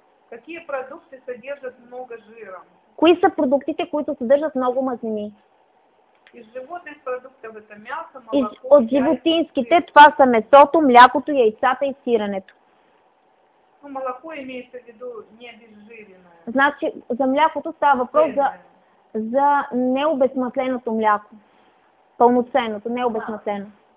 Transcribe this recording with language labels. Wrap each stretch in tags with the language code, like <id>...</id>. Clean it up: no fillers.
<ru>Какие продукты содержат много жира?</ru> <bg>Кои са продуктите, които съдържат много мазнини?</bg> <ru>Из животных продуктов это мясо, молоко,</ru> <bg>от животинските това са месото, млякото, яйцата и сирането.</bg> <ru>Ну, молоко имеется в виду не обезжиренное.</ru> <bg>Значи за млякото става въпрос за за необезмасленото мляко. Пълноценното, необезмаслено.</bg>